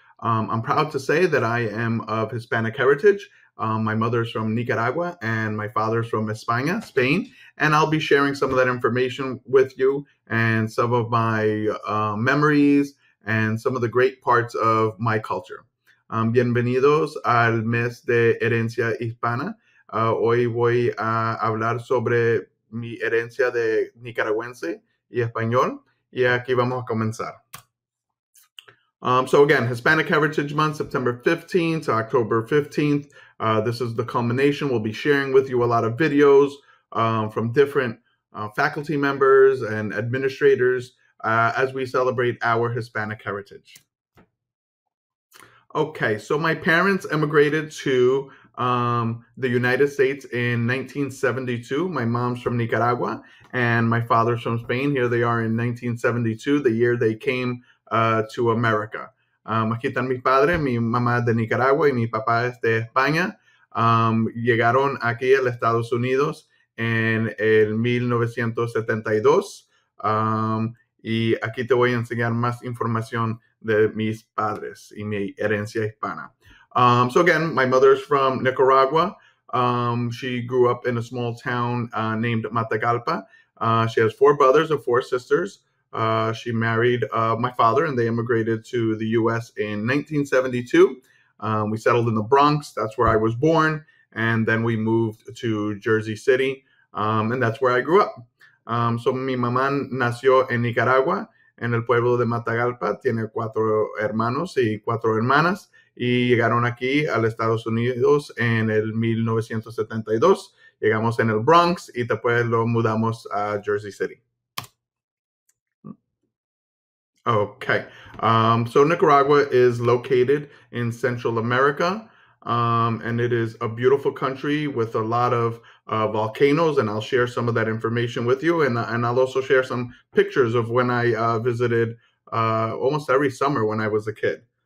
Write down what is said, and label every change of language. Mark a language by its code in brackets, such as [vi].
[en] I'm proud to say that I am of Hispanic heritage. My mother's from Nicaragua and my father's from España, Spain. And I'll be sharing some of that information with you and some of my memories and some of the great parts of my culture. [es] Bienvenidos al mes de herencia hispana. Hoy voy a hablar sobre mi herencia de nicaragüense y español, y aquí vamos a comenzar. [en] So again, Hispanic Heritage Month, September 15th to October 15th. This is the culmination. We'll be sharing with you a lot of videos from different faculty members and administrators as we celebrate our Hispanic heritage. Okay, so my parents immigrated to the United States in 1972. My mom's from Nicaragua and my father's from Spain. Here they are in 1972, the year they came to America. [es] Aquí están mis padres, mi mamá de Nicaragua y mi papá es de España. Llegaron aquí a Estados Unidos en el 1972. Y aquí te voy a enseñar más información de mis padres y mi herencia hispana. [en] So again, my mother's from Nicaragua. She grew up in a small town named Matagalpa. She has four brothers and four sisters. She married my father and they immigrated to the U.S. in 1972. We settled in the Bronx. That's where I was born. And then we moved to Jersey City. And that's where I grew up. [es] So mi mamá nació en Nicaragua, en el pueblo de Matagalpa. Tiene cuatro hermanos y cuatro hermanas. Y llegaron aquí a Estados Unidos en el 1972. Llegamos en el Bronx y después lo mudamos a Jersey City. [en] Okay, so Nicaragua is located in Central America, and it is a beautiful country with a lot of volcanoes, and I'll share some of that information with you, and I'll also share some pictures of when I visited almost every summer when I was a kid.